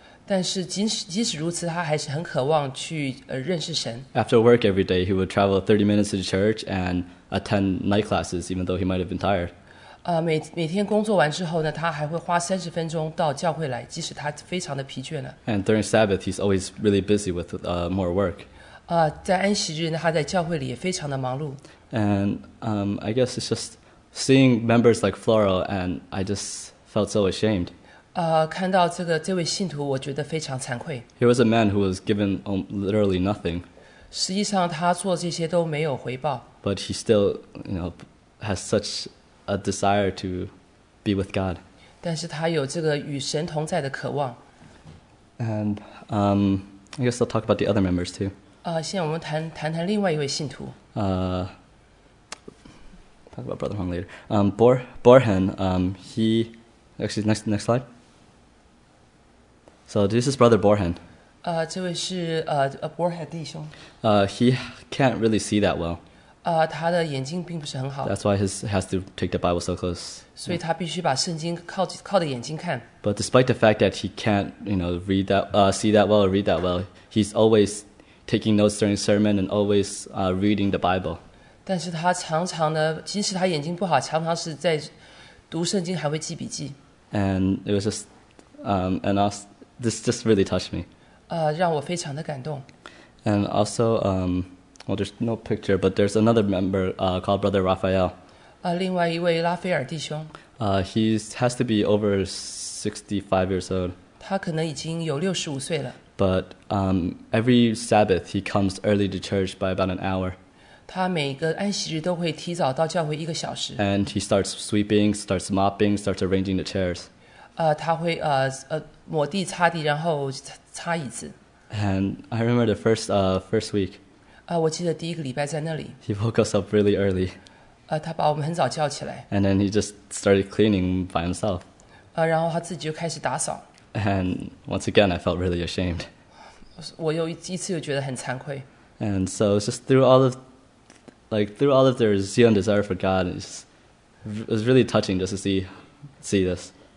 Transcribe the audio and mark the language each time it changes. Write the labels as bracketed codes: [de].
[zh] 但是即使如此, 他还是很渴望去, 认识神。 [en] After work every day, he would travel 30 minutes to the church and attend night classes, even though he might have been tired. [zh] 每天工作完之后呢, 他还会花 30 分钟到教会来, 即使他非常的疲倦了。 [en] And during Sabbath, he's always really busy with more work. [zh] 在安息日呢, 他在教会里也非常的忙碌。 [en] And I guess it's just seeing members like Floral, and I just felt so ashamed. [zh] 看到这位信徒, [en] he was a man who was given literally nothing. [zh] 实际上他做这些都没有回报, [en] but he still, you know, has such a desire to be with God. And I guess I'll talk about the other members too. [zh] 现在我们谈谈另外一位信徒。 [en] Talk about Brother Hong later. Borhan, he... Actually, next slide. So this is Brother Borhan. He can't really see that well. That's why he has to take the Bible so close. [zh] 所以他必须把圣经靠着眼睛看。 [en] But despite the fact that he can't, you know, see that well, he's always taking notes during sermon and always reading the Bible. [zh] 但是他常常呢，即使他眼睛不好，常常是在读圣经，还会记笔记。 [en] And it was just, this just really touched me. [zh] 让我非常的感动。 [en] And also, well, there's no picture, but there's another member called Brother Raphael. [zh] 另外一位拉斐尔弟兄。 [en] He has to be over 65 years old. [zh] 他可能已经有65岁了。 [en] But every Sabbath, he comes early to church by about an hour. [zh] 他每个安息日都会提早到教会一个小时。 [en] And he starts sweeping, starts mopping, starts arranging the chairs. [zh] 他会抹地擦地，然后擦椅子。 [en] And I remember the first week. [zh] 我记得第一个礼拜在那里。 [en] He woke us up really early. [zh] 他把我们很早叫起来。 [en] And then he just started cleaning by himself. [zh] 然后他自己就开始打扫。 [en] And once again, I felt really ashamed. [zh] 我又一次又觉得很惭愧。 [en] And so it's just through all of their zeal and desire for God, it was really touching just to see this.